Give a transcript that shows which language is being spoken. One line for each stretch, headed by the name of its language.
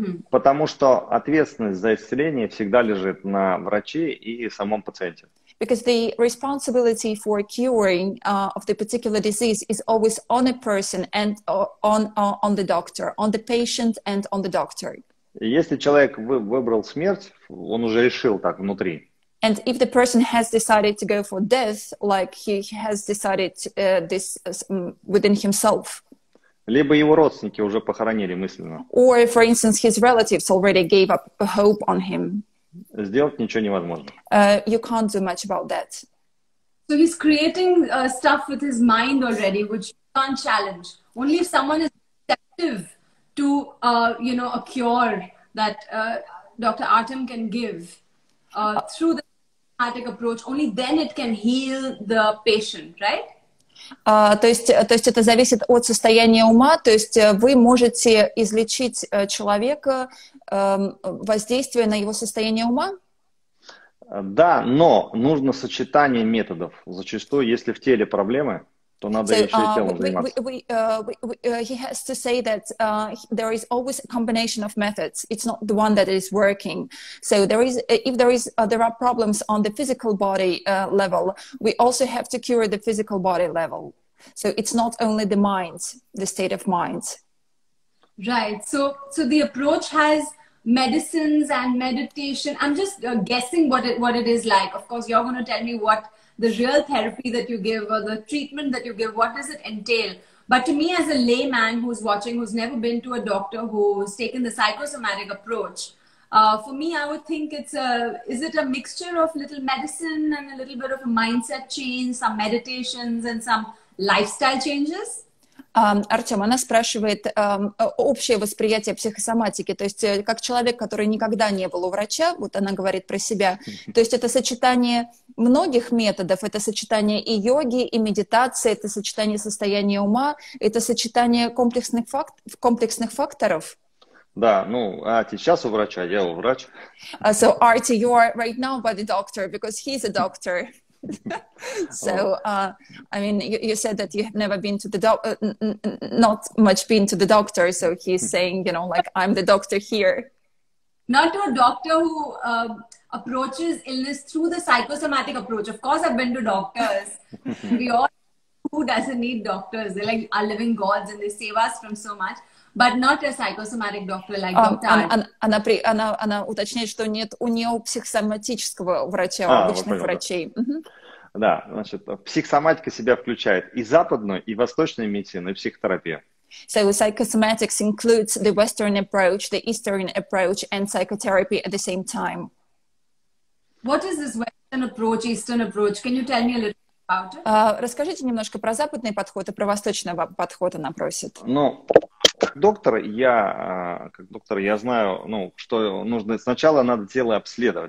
Russian: Потому что ответственность за исцеление всегда лежит на враче и самом пациенте.
English: Because the responsibility for curing of the particular disease is always on a person and on the doctor, on the patient and on the doctor.
Russian: Если человек выбрал смерть, он уже решил так внутри.
English: And if the person has decided to go for death, like he has decided this within himself.
Russian: Либо его родственники уже похоронили мысленно.
English: Or, for instance, his relatives already gave up hope on him.
Russian: Сделать ничего невозможно.
English: You can't do much about that. So he's creating stuff with his mind already, which you can't challenge. Only if someone is receptive to, you know, a cure that Dr. Artem can give. through the systematic approach, only then it can heal the patient, right?
Russian: То есть это зависит от состояния ума, то есть вы можете излечить человека воздействие на его состояние ума? Да, но нужно сочетание методов. Зачастую, если в теле проблемы, то надо еще и телом заниматься.
English: He has to say that there is always a combination of methods. It's not the one that is working. So there is, if there is, there are problems on the physical body level, we also have to cure the physical body level. So it's not only the mind, the state of mind. Right. So the approach has medicines and meditation. I'm just guessing what it is like. Of course, you're going to tell me what the real therapy that you give or the treatment that you give, what does it entail? But to me, as a layman who's watching, who's never been to a doctor who's taken the psychosomatic approach, for me, I would think is it a mixture of little medicine and a little bit of a mindset change, some meditations and some lifestyle changes?
Russian: Артем, она спрашивает общее восприятие психосоматики, то есть как человек, который никогда не был у врача, вот она говорит про себя, то есть это сочетание многих методов, это сочетание и йоги, и медитации, это сочетание состояния ума, это сочетание комплексных факторов. Да, ну, Арти сейчас у врача, я у врача.
English: So, Арти, you are right now by the doctor, because he's a doctor. So, I mean, you said that you have never been to the doctor, not much been to the doctor. So he's saying, you know, like, I'm the doctor here. Not to a doctor who approaches illness through the psychosomatic approach. Of course, I've been to doctors. We all, who doesn't need doctors? They're like our living gods and they save us from so much. But not a psychosomatic doctor like doctor.
Russian: Она уточняет, что нет у нее психосоматического врача, обычных врачей. Да, значит, психосоматика себя включает и западную, и восточную медицину, и психотерапию.
English: So psychosomatics includes the Western approach, the Eastern approach, and psychotherapy at the same time. What is this Western approach, Eastern approach? Can you tell me a little?
Russian: Расскажите немножко про западный подход и про восточный подход, она просит. Ну, как доктор, я знаю, ну, что нужно. Сначала надо тело обследовать.